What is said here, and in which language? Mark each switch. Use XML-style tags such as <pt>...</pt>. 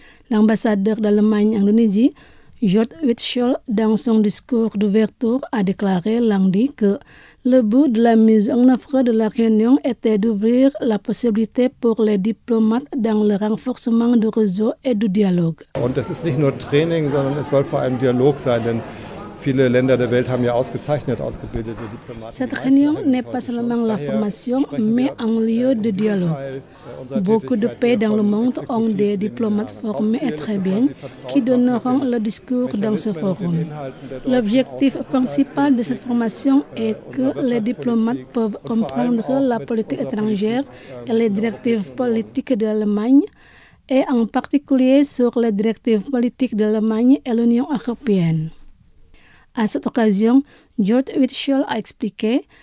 <fr>L'ambassadeur d'Allemagne en Indonésie, Jörg Witschel, dans son discours d'ouverture, a déclaré lundi que le but de la mise en œuvre de la réunion était d'ouvrir la possibilité pour les diplomates dans le renforcement du réseau et du dialogue.</fr> <de>Und das ist nicht nur Training, sondern es soll vor allem Dialog sein, denn viele Länder der Welt haben ja ausgezeichnet ausgebildete Diplomaten.</de> <fr>Cette réunion n'est pas seulement la formation, mais un lieu de dialogue. Beaucoup de pays dans le monde ont des diplomates formés et très bien qui donneront le discours dans ce forum. L'objectif principal de cette formation est que les diplomates peuvent comprendre la politique étrangère et les directives politiques de l'Allemagne, et en particulier sur les directives politiques de l'Allemagne et l'Union européenne. À cette occasion, George Witschel a expliqué</fr>